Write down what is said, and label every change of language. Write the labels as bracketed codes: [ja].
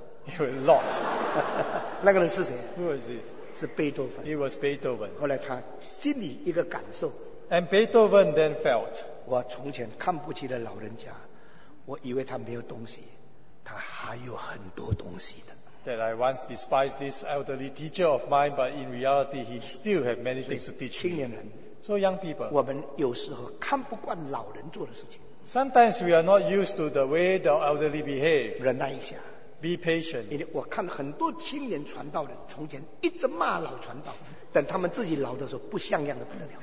[en] It was Lot. [zh] 那个人是谁 [en] Who was this? [zh] 是贝多芬 [en] He was Beethoven. [zh] 后来他心里一个感受 [en] And Beethoven then felt [zh] 我从前看不起的老人家我以为他没有东西他还有很多东西的 [en] That I once despised this elderly teacher of mine but in reality he still had many things to teach me. [zh] 青年人 [en] So young people [zh] 我们有时候看不惯老人做的事情 [en] Sometimes we are not used to the way the elderly behave. [zh] 忍耐一下 [en] Be patient. [zh] 因为我看很多青年传道人从前一直骂老传道，等他们自己老的时候，不像样的不得了。